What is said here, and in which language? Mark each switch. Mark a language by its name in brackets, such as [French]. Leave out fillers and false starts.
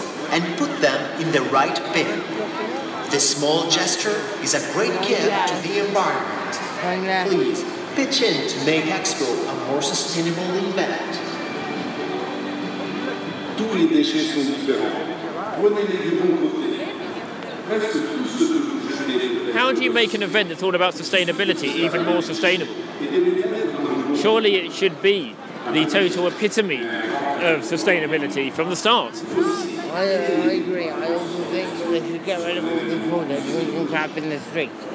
[English] And put them in the right bin. This small gesture is a great gift to the environment. Please pitch in to make Expo a more sustainable event. [French] Tous les déchets sont différents. Prenez-les du bon côté. Presque tout ce que vous jetez. [English] How do you make an event that's all about sustainability even more sustainable? Surely it should be the total epitome of sustainability from the start. I agree. I also think they should get rid of all the corners we can tap in the street.